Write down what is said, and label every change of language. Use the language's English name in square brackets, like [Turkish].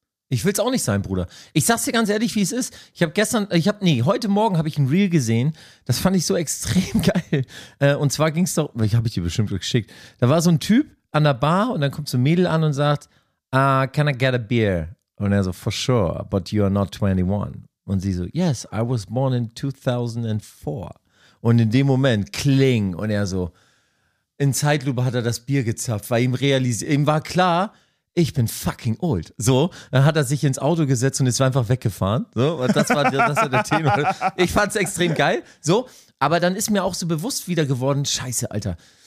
[German] Ich will es auch nicht sein, Bruder. Ich sag's dir ganz ehrlich, wie es ist. Heute Morgen habe ich ein Reel gesehen. Das fand ich so extrem geil. Und zwar ging's doch, ich habe ich dir bestimmt geschickt. Da war so ein Typ an der Bar und dann kommt so ein Mädel an und sagt, [English] can I get a beer? [German] Und er so, [English] for sure, but you are not 21. [German] Und sie so, [English] yes, I was born in 2004. [German] Und in dem Moment, kling, und er so, in Zeitlupe hat er das Bier gezapft, weil ihm war klar, ich bin fucking old. So, dann hat er sich ins Auto gesetzt und ist einfach weggefahren. So, und das war der Thema. Ich fand's extrem geil. So, aber dann ist mir auch so bewusst wieder geworden, scheiße, Alter.